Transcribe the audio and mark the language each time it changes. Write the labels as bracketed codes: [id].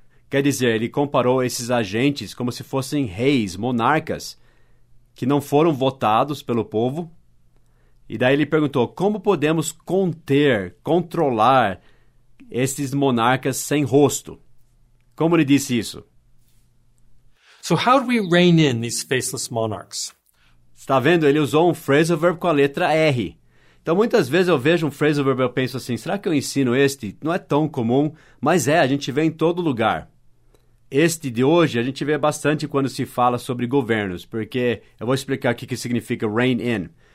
[pt] Quer dizer, ele comparou esses agentes como se fossem reis, monarcas, que não foram votados pelo povo. E daí ele perguntou, como podemos conter, controlar estes monarcas sem rosto? Como ele disse isso? [en] So how do we rein in these faceless monarchs? [pt] Está vendo? Ele usou um phrasal verb com a letra R. Então, muitas vezes eu vejo um phrasal verb e penso assim, será que eu ensino este? Não é tão comum, mas é, a gente vê em todo lugar. Este de hoje, a gente vê bastante quando se fala sobre governos, porque eu vou explicar aqui o que significa rein in.